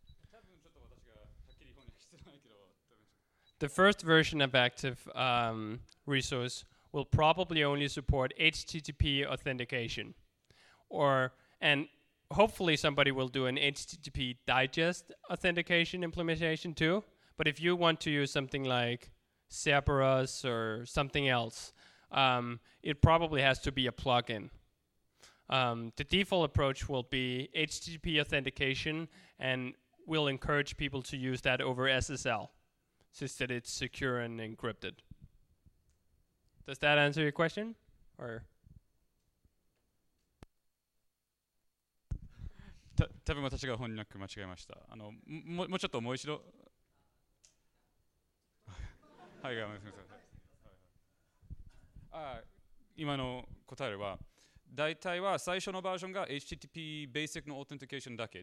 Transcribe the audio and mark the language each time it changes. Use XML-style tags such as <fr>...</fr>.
<ja>多分ちょっと私がはっきり翻訳してないけど。</ja> <en>The first version of Active Resource will probably only support HTTP authentication. And hopefully somebody will do an HTTP digest authentication implementation too. But if you want to use something like Cerberus or something else, it probably has to be a plugin. The default approach will be HTTP authentication, and we'll encourage people to use that over SSL, since that it's secure and encrypted. Does that answer your question? Or...</en> <ja>多分私が翻訳間違えました。もうちょっともう一度はい、すみません、はい、今の答えは大体は最初のバージョンが HTTP Basic のオーテンティケーションだけ。</ja>